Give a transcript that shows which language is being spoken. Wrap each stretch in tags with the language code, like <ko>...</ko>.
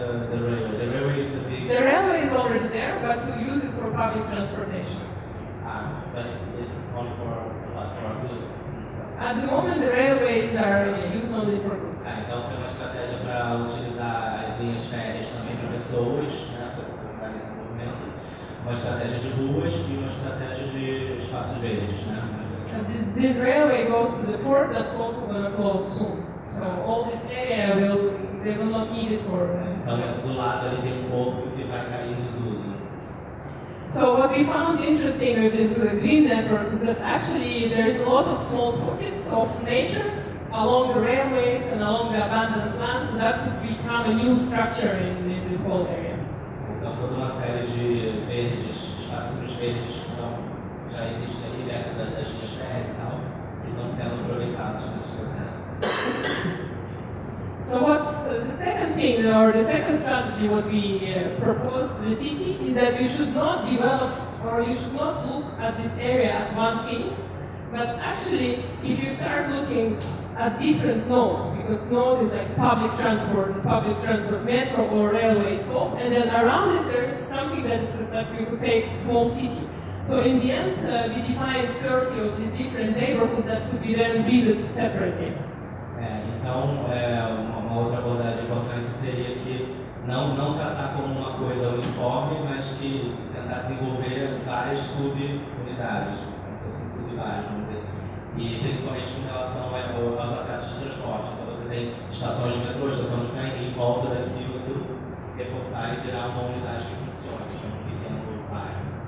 <en>The railway is already there, but to use it for public transportation. But it's only for goods. At the moment, the railways are used only for goods.</en> <pt>Então tem uma estratégia para utilizar as linhas férreas também para pessoas, né? Uma estratégia de ruas e uma estratégia de espaços verdes, né?</pt> <en>So this railway goes to the port that's also going to close soon. So all this area, they will not need it for them.</en> <pt>Então, do lado ali tem um porto que vai cair em desuso.</pt> <en>So what we found interesting with this green network is that actually there is a lot of small pockets of nature along the railways and along the abandoned land, so that could become a new structure in this whole area.</en> <pt>Toda uma série de verdes, espaços verdes que não, já existem ali dentro das linhas férreas e tal, que estão sendo aproveitados nesse projeto.</pt> <en>So what's the second thing, or the second strategy what we proposed to the city is that you should not develop, or you should not look at this area as one thing, but actually, if you start looking at different nodes, because node is like public transport metro or railway stop, and then around it there is something that is like you could say small city. So in the end, we defined 30 of these different neighborhoods that could be then treated separately.</en> <pt>Então, uma outra abordagem importante seria que não tratar como uma coisa uniforme, mas que tentar desenvolver várias subunidades, esses subbairros, vamos dizer. E principalmente com relação aos acessos de transporte. Então você tem estações de metrô, estação de trem, em volta daquilo do reforçar e virar uma unidade que funcione, um pequeno bairro.</pt>